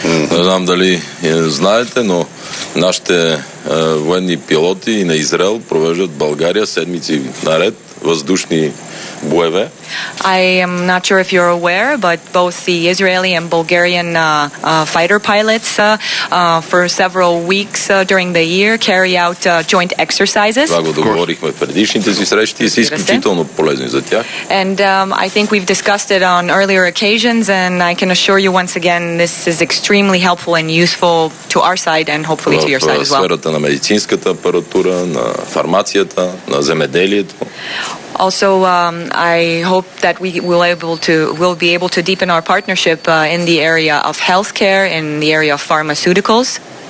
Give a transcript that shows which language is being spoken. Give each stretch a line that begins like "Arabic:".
Bulgarian: Не знам дали знаете, но нашите военни пилоти на Израел провеждат България седмици наред въздушни боеве.
English: I am not sure if you're aware, but both the Israeli and Bulgarian fighter pilots for several weeks during the year carry out joint exercises.
Bulgarian: Това го договорихме в предишните си срещи и са изключително полезни за тях.
English: And I think we've discussed it on earlier occasions, and I can assure you once again, this is extremely helpful and useful to our side and hopefully to your side as well.
Bulgarian: В сферата на медицинската апаратура, на фармацията, на земеделието.
English: Also, I hope that we will be able to deepen our partnership in the area of healthcare, in the area of pharmaceuticals.